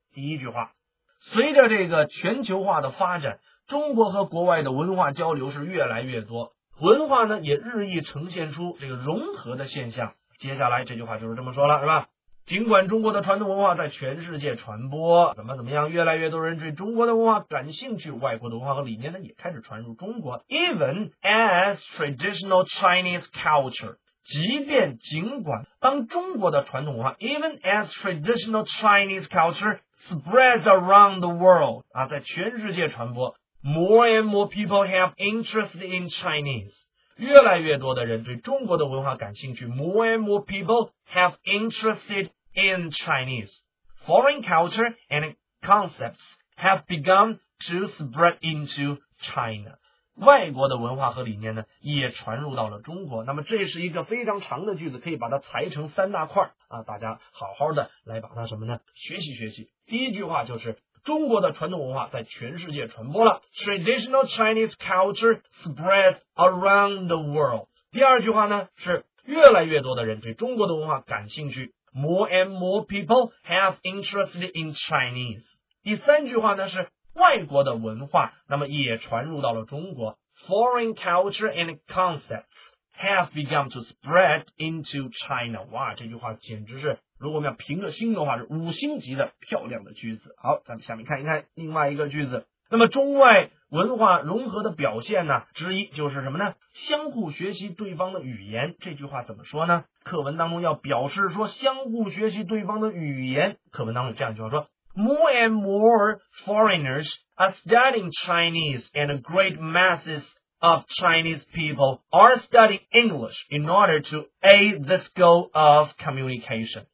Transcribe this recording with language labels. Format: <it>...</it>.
<zh>第一句话，随着这个全球化的发展，中国和国外的文化交流是越来越多，文化呢也日益呈现出这个融合的现象。接下来这句话就是这么说了，是吧？尽管中国的传统文化在全世界传播，怎么怎么样，越来越多人对中国的文化感兴趣，外国的文化和理念呢也开始传入中国。</zh> <en>Even as traditional Chinese culture，</en> <zh>即便尽管当中国的传统文化</zh> <en>Even as traditional Chinese culture spreads around the world，</en> <zh>啊，在全世界传播，</zh> <en>More and more people have interest in Chinese，</en> <zh>越来越多的人对中国的文化感兴趣。</zh> <en>More and more people have interested in Chinese. Foreign culture and concepts have begun to spread into China.</en> <zh>外国的文化和理念呢，也传入到了中国。那么这是一个非常长的句子，可以把它裁成三大块啊，大家好好的来把它什么呢？学习学习。第一句话就是中国的传统文化在全世界传播了 ，</zh> <en>Traditional Chinese culture spreads around the world。</en> <zh>第二句话呢是越来越多的人对中国的文化感兴趣 ，</zh> <en>More and more people have interest in Chinese。</en> <zh>第三句话呢是外国的文化那么也传入到了中国 ，</zh> <en>Foreign culture and concepts have begun to spread into China。</en> <zh>哇，这句话简直是。如果我们要评个星的话是五星级的漂亮的句子。好，咱们下面看一看另外一个句子。那么中外文化融合的表现呢之一就是什么呢？相互学习对方的语言。这句话怎么说呢？课文当中要表示说相互学习对方的语言，课文当中这样就要说</zh> <en>More and more foreigners are studying Chinese and great masses of Chinese people are studying English in order to aid the goal of communication.</en>